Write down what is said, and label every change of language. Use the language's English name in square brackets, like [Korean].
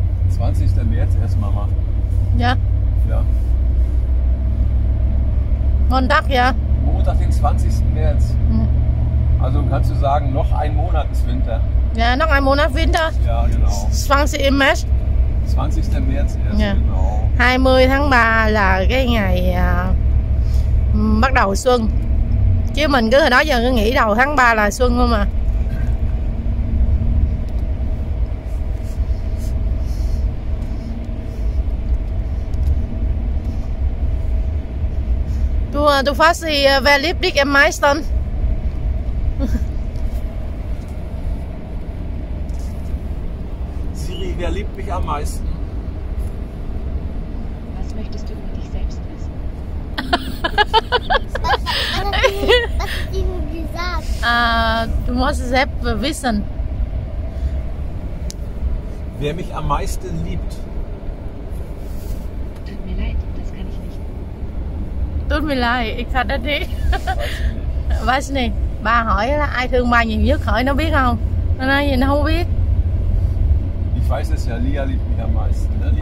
[German] 20. März erstmal mal. Ja. Ja. Montag, ja. Montag, den 20. März. Hm. Also kannst du sagen, noch ein Monat ist Winter. Ja, noch ein Monat Winter. Ja, genau. 20. März. 20. März erst, ja. Genau. [Vietnamese] 20 tháng 3 là cái ngày bắt đầu xuân. Chứ mình cứ hồi đó giờ cứ nghĩ đầu tháng 3 là xuân thôi mà. [German] Du fährst sie, wer liebt dich am meisten? Siri, wer liebt mich am meisten? Was möchtest du über dich selbst wissen? Was hat sie gesagt? Du musst es selbst wissen. Wer mich am meisten liebt? Tut mir leid, das kann ich nicht. Tut mir leid, ich kann das nicht. Weiß nicht. [Vietnamese] Ba hỏi là ai thương ba nhiều nhất, hỏi nó biết không? Nó nói gì nó không biết. [German] Ich weiß es ja, Lia liebt mich am meisten.